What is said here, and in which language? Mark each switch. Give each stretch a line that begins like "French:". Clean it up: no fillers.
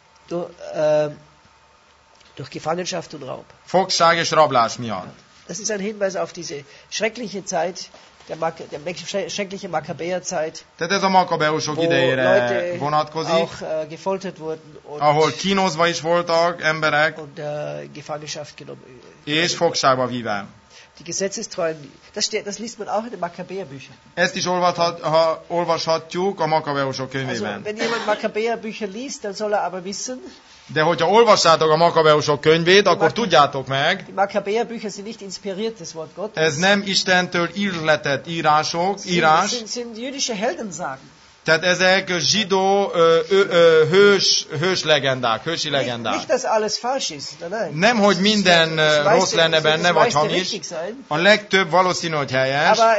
German: durch Gefangenschaft und Raub.
Hungarian: Fogság és rablás miatt.
German: Das ist ein Hinweis auf diese schreckliche Zeit, der schreckliche Makkabäerzeit.
Hungarian: Tehát ez a makkabeusok idejére vonatkozik.
German: Auch gefoltert wurden
Hungarian: und ahol kínozva is voltak emberek.
German: Und Gefangenschaft genommen.
Hungarian: És fogságba víve.
German: Die Gesetzestreuen, das liest man auch in den Makkabäerbüchern.
Hungarian: Ezt is olvashatjuk a makkabeusok könyvében.
German: Also, wenn jemand Makkabäerbücher liest, dann soll er aber wissen.
Hungarian: De hogyha olvassátok a makkabeusok könyvét, akkor tudjátok meg.
German: Die Makkabäerbücher sind nicht inspiriert, das Wort Gottes.
Hungarian: Ez nem Istentől ihletett írások, írás.
German: Sind jüdische Heldensagen.
Hungarian: Tehát ezek zsidó hős legendák, hősi legendák. Nem, hogy minden rossz lenne benne, vagy hamis. A legtöbb valószínű, hogy helyes.